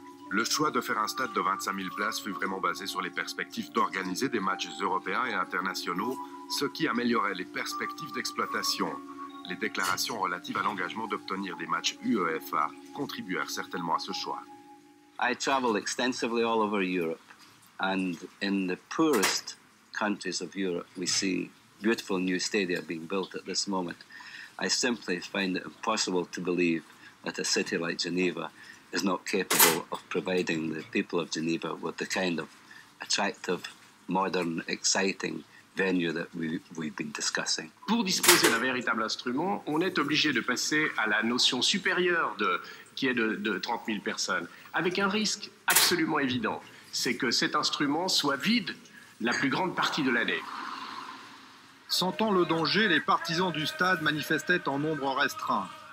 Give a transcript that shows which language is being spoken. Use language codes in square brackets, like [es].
[fr] Le choix de faire un stade de 25 000 places fut vraiment basé sur les perspectives d'organiser des matchs européens et internationaux, ce qui améliorait les perspectives d'exploitation. Les déclarations relatives à l'engagement d'obtenir des matchs UEFA contribuèrent certainement à ce choix. [en] I travel extensively all over Europe, and in the poorest countries of Europe, we see beautiful new stadia being built at this moment. I simply find it impossible to believe that a city like Geneva is not capable of providing the people of Geneva with the kind of attractive, modern, exciting venue that we've been discussing. [fr] Pour disposer d'un véritable instrument, on est obligé de passer à la notion supérieure de, qui est de 30 000 personnes, avec un risque absolument évident, c'est que cet instrument soit vide la plus grande partie de l'année. Sentant le danger, les partisans du stade manifestaient en nombre restreint.